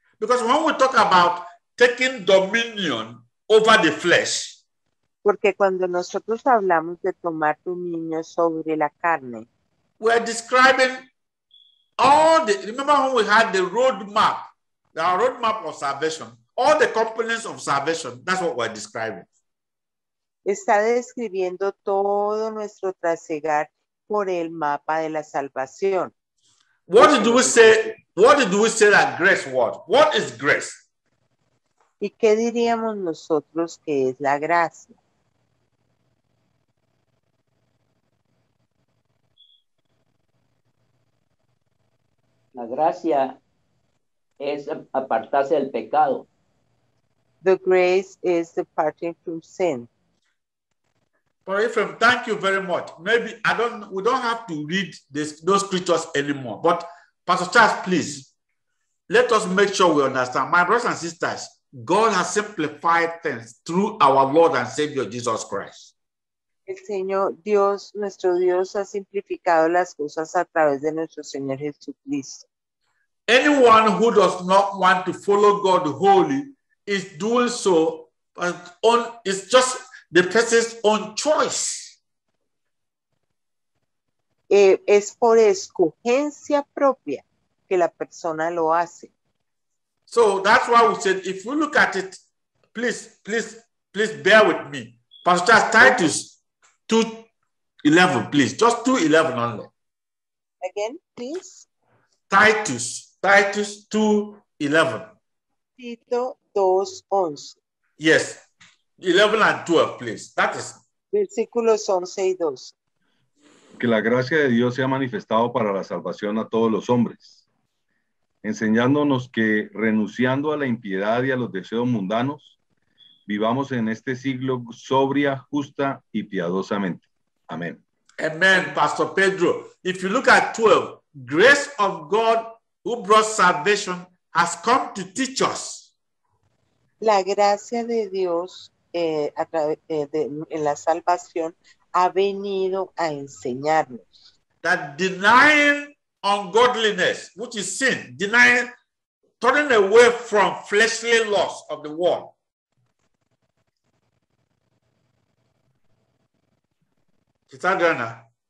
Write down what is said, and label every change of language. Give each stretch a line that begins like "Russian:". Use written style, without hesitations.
English: Because when we talk about taking dominion over the flesh,
Spanish: porque cuando nosotros hablamos de tomar dominio sobre la carne,
English: we are describing all the, remember when we had the roadmap, our roadmap of salvation, all the components of salvation, that's what we're describing.
Spanish: Está describiendo todo nuestro trasegar por el mapa de la salvación.
English: What did we say that grace was? What is grace?
Spanish: ¿Y qué diríamos nosotros que es la gracia? La gracia es apartarse del pecado.
English: The grace is departing from sin. For Ephraim, thank you very much. Maybe we don't have to read those scriptures anymore. But Pastor Charles, please, let us make sure we understand. My brothers and sisters, God has simplified things through our Lord and Savior Jesus Christ.
Spanish: El Señor Dios, nuestro Dios, ha simplificado las cosas a través de nuestro Señor Jesucristo.
English: Anyone who does not want to follow God wholly is doing so, but on it's just the person's own choice.
Spanish: es por escogencia propia que la persona lo hace.
English: So that's why we said, if you look at it, please, please, please bear with me. Pastor Titus 2:11, please. Just 2:11 only. Again, please. Titus 2:11.
Spanish: Tito 2:11.
English: Yes. 11 and 12, please. That is.
Spanish: Versículos 11 y 12. Que la gracia de Dios sea manifestado para la salvación a todos los hombres, enseñándonos que, renunciando a la impiedad y a los deseos mundanos, vivamos en este siglo sobria, justa y piadosamente. Amén.
English: Amen, Pastor Pedro. If you look at 12, grace of God who brought salvation has come to teach us.
Spanish: La gracia de Dios en la salvación ha venido a enseñarnos.
English: That denying ungodliness, which is sin, denying, turning away from fleshly lusts of the world. Is that Ghana?